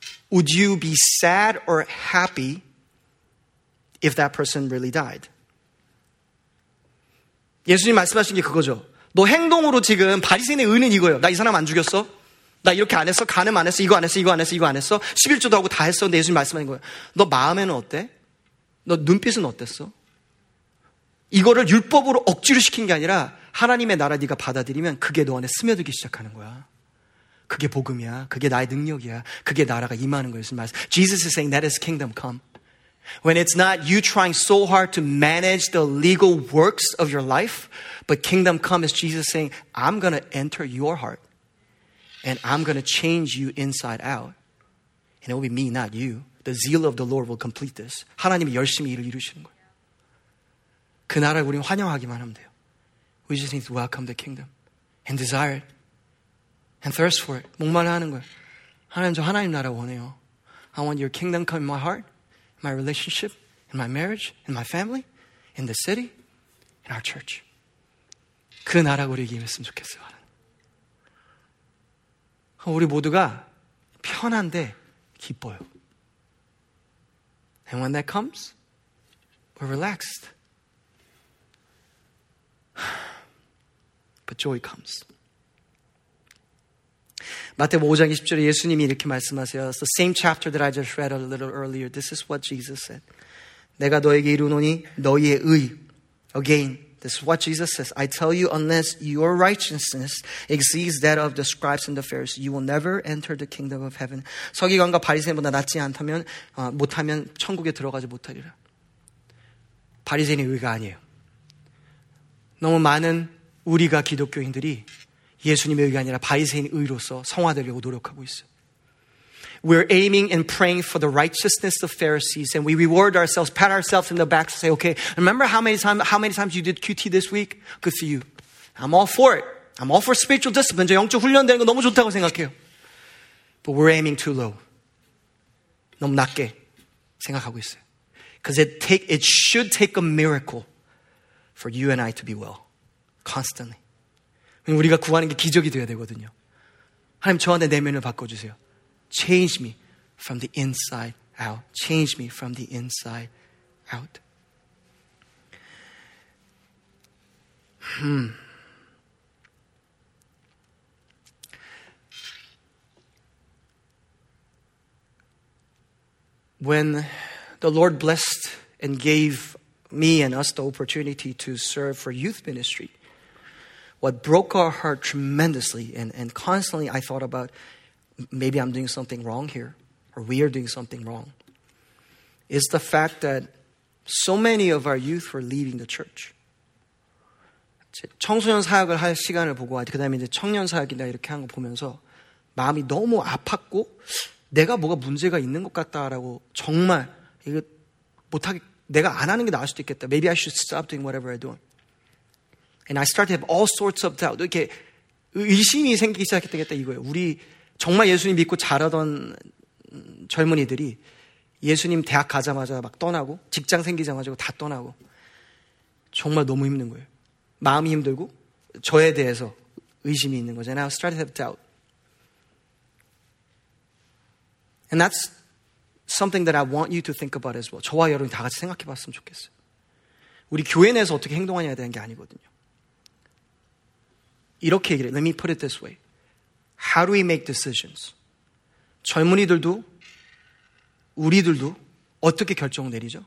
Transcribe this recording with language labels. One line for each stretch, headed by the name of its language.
English: Would you be sad or happy if that person really died?
Korean: 예수님 말씀하신 게 그거죠. 너 행동으로 지금 바리새인의 의는 이거예요. 나 이 사람 안 죽였어? 나 이렇게 안 했어? 간음 안 했어? 이거 안 했어? 이거 안 했어? 이거 안 했어? 11조도 하고 다 했어? 근데 예수님 말씀하신 거예요. 너 마음에는 어때? 너 눈빛은 어땠어? 이거를 율법으로 억지로 시킨 게 아니라 하나님의 나라 네가 받아들이면 그게 너 안에 스며들기 시작하는 거야. 그게 복음이야. 그게 나의 능력이야. 그게 나라가 임하는 거예요.
English: Jesus is saying that is kingdom come. When it's not you trying so hard to manage the legal works of your life, but kingdom come is Jesus saying I'm going to enter your heart and I'm going to change you inside out. And it will be me, not you. The zeal of the Lord will complete this.
Korean: 하나님이 열심히 일을 이루시는 거예요. 그 나라를 우리는 환영하기만 하면 돼요.
English: We just need to welcome the kingdom and desire it and thirst for it.
Korean: 목말라 하는 거예요. 하나님 저 하나님 나라 원해요.
English: I want your kingdom come in my heart, in my relationship, in my marriage, in my family, in the city, in our church.
Korean: 그 나라가 우리에게 임했으면 좋겠어요. 하나님. 우리 모두가 편한데 기뻐요.
English: And when that comes, we're relaxed. But joy comes.
Korean: 마태복음 5장 20절에 예수님이 이렇게 말씀하세요.
English: It's the same chapter that I just read a little earlier. This is what Jesus said.
Korean: 내가 너에게 이르노니 너희의 의.
English: Again, this is what Jesus says. I tell you, unless your righteousness exceeds that of the scribes and the Pharisees, you will never enter the kingdom of heaven.
Korean: 서기관과 바리새인보다 낫지 않다면 못하면 천국에 들어가지 못하리라. 바리새인의 의가 아니에요. 너무 많은 우리가 기독교인들이 예수님의 의가 아니라 바리새인 의로서 성화되려고 노력하고 있어요.
English: We're aiming and praying for the righteousness of Pharisees and we reward ourselves, pat ourselves in the back and say, okay, remember how many times you did QT this week? Good for you. I'm all for it. I'm all for spiritual discipline.
Korean: 저 영적 훈련되는 거 너무 좋다고 생각해요.
English: But we're aiming too low.
Korean: 너무 낮게 생각하고 있어요.
English: Because it should take a miracle. For you and I to be well, constantly.
Korean: 우리가 구하는 게 기적이 되어야 되거든요. 하나님 저한테 내면을 바꿔주세요.
English: Change me from the inside out. Change me from the inside out. When the Lord blessed and gave me and us the opportunity to serve for youth ministry. What broke our heart tremendously and constantly I thought about maybe I'm doing something wrong here or we are doing something wrong is the fact that so many of our youth were leaving the church.
Korean: 청소년 사역을 할 시간을 보고 그다음에 이제 청년 사역이나 이렇게 한 거 보면서 마음이 너무 아팠고 내가 뭐가 문제가 있는 것 같다라고 정말 이거 못하게 내가 안 하는 게 나을 수도 있겠다.
English: Maybe I should stop doing whatever I'm doing. And I started to have all sorts of doubt.
Korean: 이렇게 의심이 생기기 시작했겠다 이거예요. 우리 정말 예수님 믿고 잘하던 젊은이들이 예수님 대학 가자마자 막 떠나고 직장 생기자마자 다 떠나고 정말 너무 힘든 거예요. 마음이 힘들고 저에 대해서 의심이 있는 거잖아요.
English: I started to have doubt. And that's something that I want you to think about as well.
Korean: 저와 여러분이 다 같이 생각해 봤으면 좋겠어요. 우리 교회 내에서 어떻게 행동하냐에 대한 게 아니거든요. 이렇게 얘기를 해요.
English: Let me put it this way. How do we make decisions?
Korean: 젊은이들도 우리들도 어떻게 결정을 내리죠?